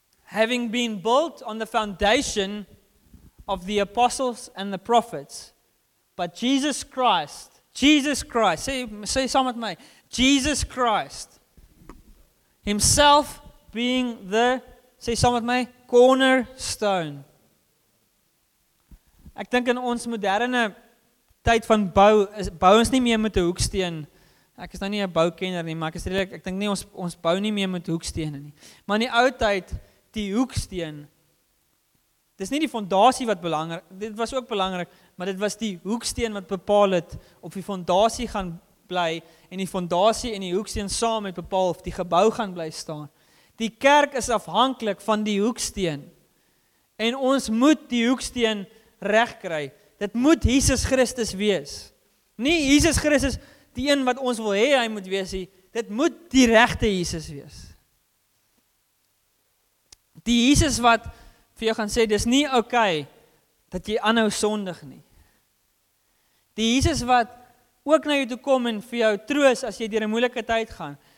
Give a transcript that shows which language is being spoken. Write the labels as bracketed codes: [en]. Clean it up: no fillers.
[en] Having been built on the foundation of the apostles and the prophets, but Jesus Christ, say some with me, Jesus Christ, himself being the, say some with me, cornerstone. [af] Ek dink in ons moderne tyd van bou ons nie meer met die hoeksteen. Ek is nou nie 'n boukenner nie, maar ek dink nie ons bou nie meer met hoekstene nie. Maar in die ou tyd, die hoeksteen, dit is nie die fondasie wat belangrik, dit was ook belangrik, maar dit was die hoeksteen wat bepaal het of die fondasie gaan bly en die fondasie en die hoeksteen saam het bepaal of die gebou gaan bly staan. Die kerk is afhankelijk van die hoeksteen. En ons moet die hoeksteen recht kry. Dit moet Jesus Christus wees. Nie Jesus Christus die een wat ons wil hee, hy moet wees. Dit moet die rechte Jesus wees. Die Jesus wat vir jou gaan sê, dis nie okay, dat jy aanhou sondig nie. Die Jesus wat ook na jou toe kom en vir jou troos as jy deur 'n moeilike tyd gaan.